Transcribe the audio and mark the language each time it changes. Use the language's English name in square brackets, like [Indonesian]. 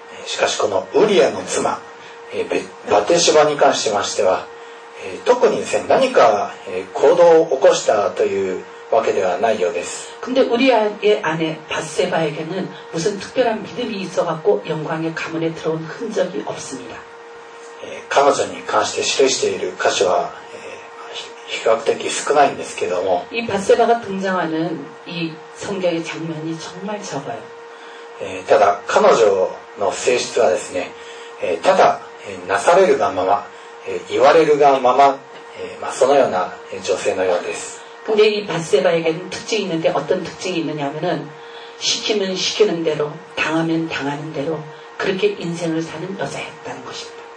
[Japanese] しかしこのウリアの妻バテシバに関しましては、特にですね、何か行動を起こしたというわけではないようです。 [Korean] 근데우리아의아내바세바에게는무슨특별한믿음이있어갖고영광의가문에들어온흔적이없습니다 [Japanese] 彼女に関して記している箇所は比較的少ないんですけども、 [Korean] 이바세바가등장하는이성경의장면이정말적어요 [Japanese] ただ彼女の性質はですね、ただなされるがまま、言われるがまま、そのような女性のようです。 [Korean] 근데이바세바에게는특징이있는데어떤특징이있느냐면은시키면시키는대로당하면당하는대로그렇게인생을사는여자였다는것입니다